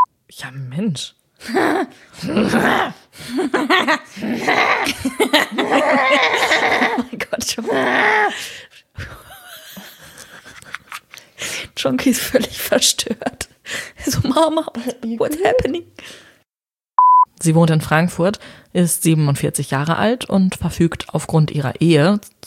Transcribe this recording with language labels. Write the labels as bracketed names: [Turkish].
[German] Ja, Mensch. Oh mein Gott, Junkie ist völlig verstört. [English] So, Mama, what's happening? [German] Sie wohnt in Frankfurt, ist 47 Jahre alt und verfügt aufgrund ihrer Ehe.